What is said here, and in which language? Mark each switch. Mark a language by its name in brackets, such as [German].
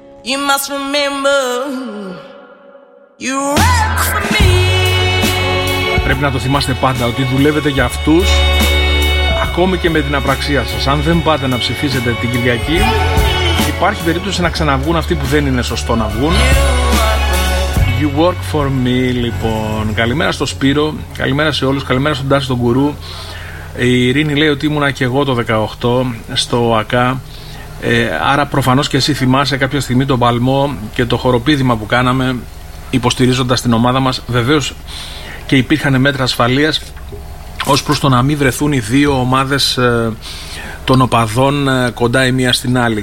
[English] You must remember you work for me. [Greek] Πρέπει να το θυμάστε πάντα ότι δουλεύετε για αυτούς, ακόμη και με την απραξία σας. Αν δεν πάτε να ψηφίσετε την Κυριακή, υπάρχει περίπτωση να ξαναβγούν αυτοί που δεν είναι σωστό να βγουν. [English] You work for me, [Greek] λοιπόν. Καλημέρα στο Σπύρο, καλημέρα σε όλους, καλημέρα στον Τάση τον Κουρού. Η Ειρήνη λέει ότι ήμουνα και εγώ το 18 στο ΑΚΑ, άρα προφανώς και εσύ θυμάσαι κάποια στιγμή τον Παλμό και το χοροπήδημα που κάναμε υποστηρίζοντας την ομάδα μας. Βεβαίως και υπήρχαν μέτρα ασφαλείας ως προς το να μην βρεθούν οι δύο ομάδες των οπαδών κοντά η μία στην άλλη.